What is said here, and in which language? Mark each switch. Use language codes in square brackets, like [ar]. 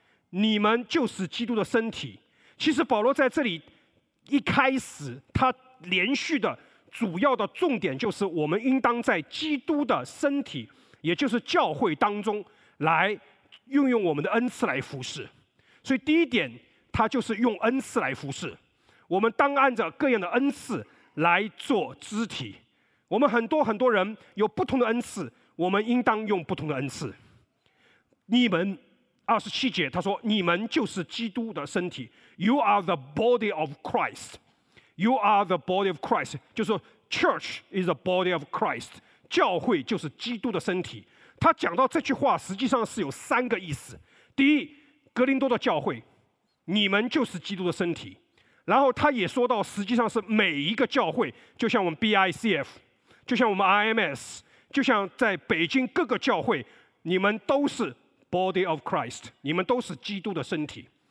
[zh] 你们就是基督的身体。其实保罗在这里一开始他连续的主要的重点就是我们应当在基督的身体，也就是教会当中来运用我们的恩赐来服侍。所以第一点他就是用恩赐来服侍，我们当按着各样的恩赐来做肢体。我们很多很多人有不同的恩赐，我们应当用不同的恩赐。你们二十七节他说你们就是基督的身体， [en] You are the body of Christ， [zh] You are the body of Christ， 就是 [en] Church is the body of Christ， [zh] 教会就是基督的身体。他讲到这句话实际上是有三个意思，第一，哥林多的教会，你们就是基督的身体。然后他也说到实际上是每一个教会，就像我们 BICF， 就像我们 IMS， 就像在北京各个教会，你们都是 [en] Body of Christ， [zh] 你们都是基督的身体。